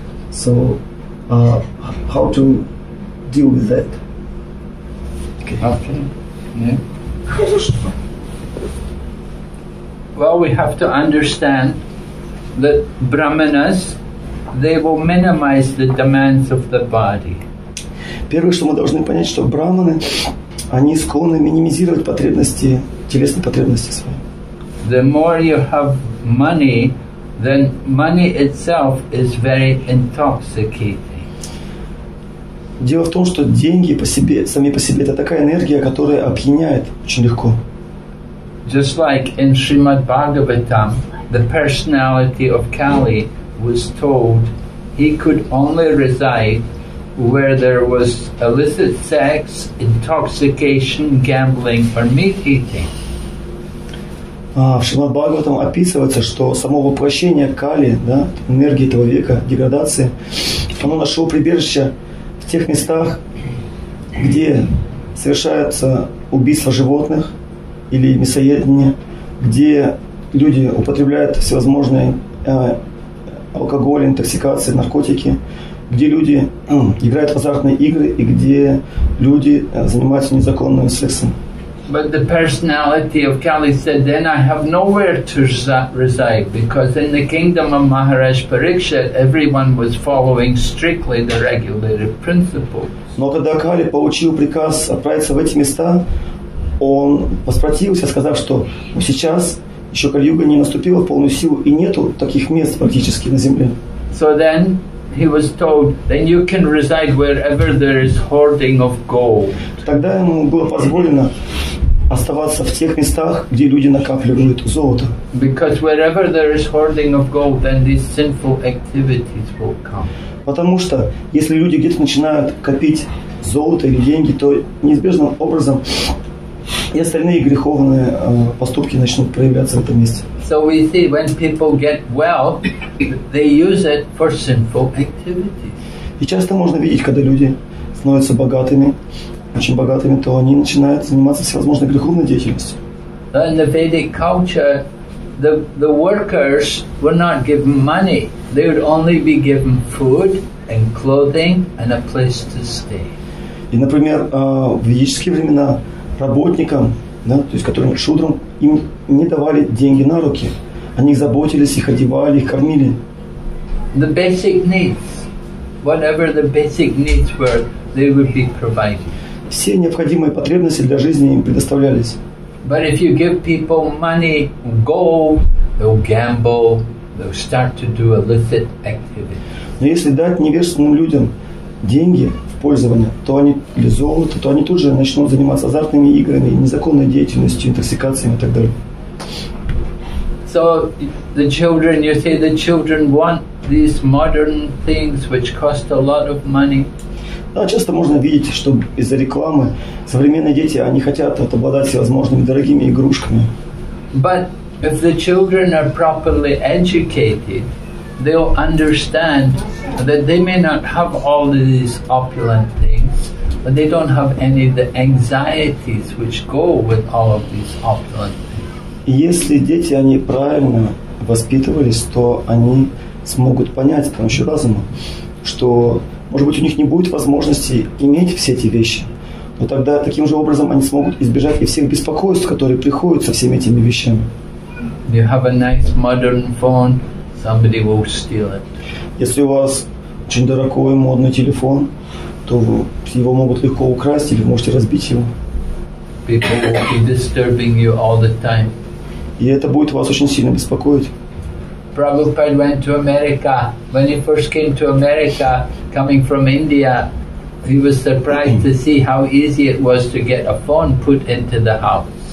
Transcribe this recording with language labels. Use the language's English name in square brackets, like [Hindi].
[English] So, how to deal with that? Okay. Well, we have to understand that brahmanas, they will minimize the demands of the body. [Russian] Первое, что мы должны понять, что брахманы, они склонны минимизировать потребности, телесные потребности свои. [English] The more you have money, then money itself is very intoxicating. [Russian] Дело в том, что деньги по себе, сами по себе, это такая энергия, которая опьяняет очень легко. [English] Just like in Srimad Bhagavatam, the personality of Kali was told he could only reside where there was illicit sex, intoxication, gambling, or meat eating. [Russian] В Шримад Бхагаватам описывается, что само воплощение Кали, да, энергии этого века, деградации, оно нашло прибежище в тех местах, где совершаются убийства животных или мясоедение, где люди употребляют всевозможные алкоголь, интоксикации, наркотики, где люди играют в азартные игры и где люди занимаются незаконным сексом. [English] But the personality of Kali said, then I have nowhere to reside, because in the kingdom of Maharaj Parikshit, everyone was following strictly the regulated principles. [Russian] Но когда Кали получил приказ отправиться в эти места, он воспротивился, сказав, что сейчас еще Кали-юга не наступила в полную силу, и нету таких мест практически на земле. [English] So then he was told, then you can reside wherever there is hoarding of gold. [Russian] Тогда ему было позволено оставаться в тех местах, где люди накапливают золото. [English] Because wherever there is hoarding of gold, then these sinful activities will come. [Russian] Потому что если люди где-то начинают копить золото или деньги, то неизбежным образом и остальные греховные поступки начнут проявляться в этом месте. [English] So we see when people get wealth, they use it for sinful activities. [Russian] И часто можно видеть, когда люди становятся богатыми, очень богатыми, то они начинают заниматься всевозможной греховной деятельностью. [English] In the Vedic culture, the workers were not given money. They would only be given food and clothing and a place to stay. [Russian] И, например, в ведические времена работникам да, то есть которым шудрам им не давали деньги на руки. Они заботились, их одевали, их кормили. [English] The basic needs, whatever the basic needs were, they would be provided. [Russian] Все необходимые потребности для жизни им предоставлялись. [English] But if you give people money, gold, they'll gamble, they'll start to do illicit activity. [Russian] Но если дать невежественным людям деньги в пользование, то они или золото, то они тут же начнут заниматься азартными играми, незаконной деятельностью, интоксикациями и так далее. [English] So the children, you say the children want these modern things which cost a lot of money. [Russian] Да, часто можно видеть, что из-за рекламы современные дети, они хотят вот, обладать всевозможными дорогими игрушками. [English] But if the children are properly educated, they'll understand that they may not have all of these opulent things, but they don't have any of the anxieties which go with all of these opulent things. [Russian] Если дети, они правильно воспитывались, то они смогут понять с помощью разума, что, может быть, у них не будет возможности иметь все эти вещи, но тогда таким же образом они смогут избежать и всех беспокойств, которые приходят со всеми этими вещами. [English] You have a nice modern phone, somebody will steal it. [Russian] Если у вас очень дорогой модный телефон, то его могут легко украсть или можете разбить его. [English] People will be disturbing you all the time. [Russian] И это будет вас очень сильно беспокоить. [English] Prabhupada went to America. When he first came to America, coming from India, he was surprised to see how easy it was to get a phone put into the house.